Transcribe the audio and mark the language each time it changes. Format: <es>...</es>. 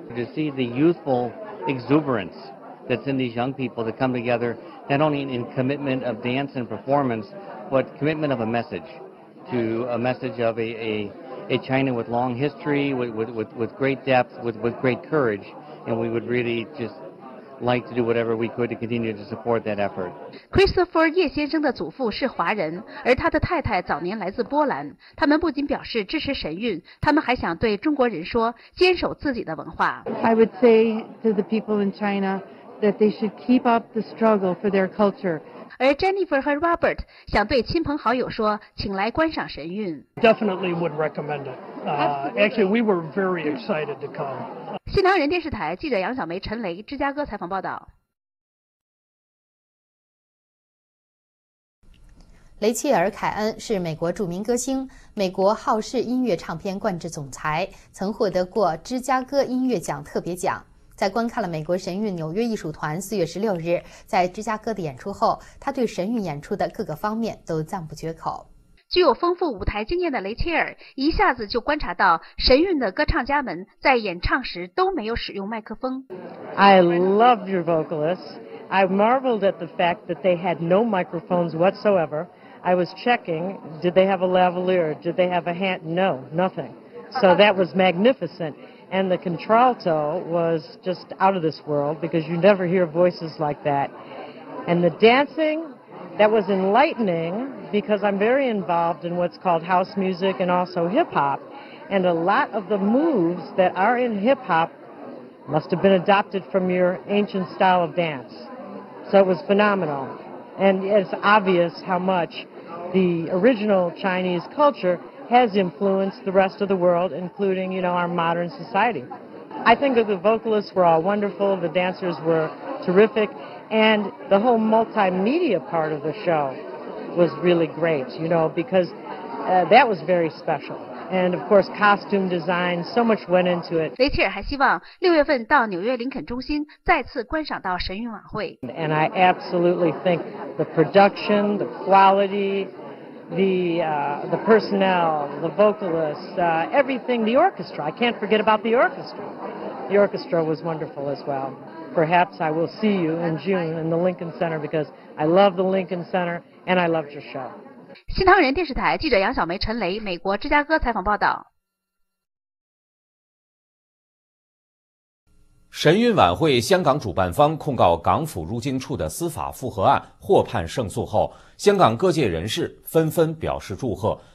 <en>To see the youthful exuberance that's in these young people to come together, not only in commitment of dance and performance, but commitment of a message, to a message of a China with long history, with great depth, with great courage, and we would really just like to do whatever we could to continue to support that effort.</en> <zh>Christopher 叶先生的祖父是华人，而他的太太早年来自波兰。他们不仅表示支持神韵，他们还想对中国人说，坚守自己的文化。</zh> <en>I would say to the people in China that they should keep up the struggle for their culture.</en> <zh>而 Jennifer 和 Robert 想对亲朋好友说，请来观赏神韵。</zh> <en>Definitely would recommend it. Actually, we were very excited to come.</en> <zh>新唐人电视台记者杨小梅、陈雷，芝加哥采访报道。雷切尔·凯恩是美国著名歌星，美国好事音乐唱片冠制总裁，曾获得过芝加哥音乐奖特别奖。在观看了美国神韵纽约艺术团四月十六日在芝加哥的演出后，他对神韵演出的各个方面都赞不绝口。具有丰富舞台经验的雷切尔一下子就观察到神韵的歌唱家们在演唱时都没有使用麦克风。</zh> <en>I love your vocalists. I marveled at the fact that they had no microphones whatsoever. I was checking, did they have a lavalier? Did they have a hand? No, nothing. So that was magnificent. And the contralto was just out of this world because you never hear voices like that. And the dancing, that was enlightening. Because I'm very involved in what's called house music and also hip hop, and a lot of the moves that are in hip hop must have been adopted from your ancient style of dance. So it was phenomenal. And it's obvious how much the original Chinese culture has influenced the rest of the world, including, you know, our modern society. I think that the vocalists were all wonderful, the dancers were terrific, and the whole multimedia part of the show. Was really great, you know, because that was very special. And of course, costume design, so much went into it.</en> <zh>雷切尔还希望六月份到纽约林肯中心再次观赏到神韵晚会。</zh> <en>And I absolutely think the production, the quality, the personnel, the vocalists, everything, the orchestra. I can't forget about the orchestra. The orchestra was wonderful as well. Perhaps I will see you in June in the Lincoln Center because I love the Lincoln Center. And I loved your show.</en> <zh>新唐人电视台记者杨小梅、陈雷，美国芝加哥采访报道。神韵晚会香港主办方控告港府入境处的司法复核案获判胜诉后，香港各界人士纷纷表示祝贺。</zh>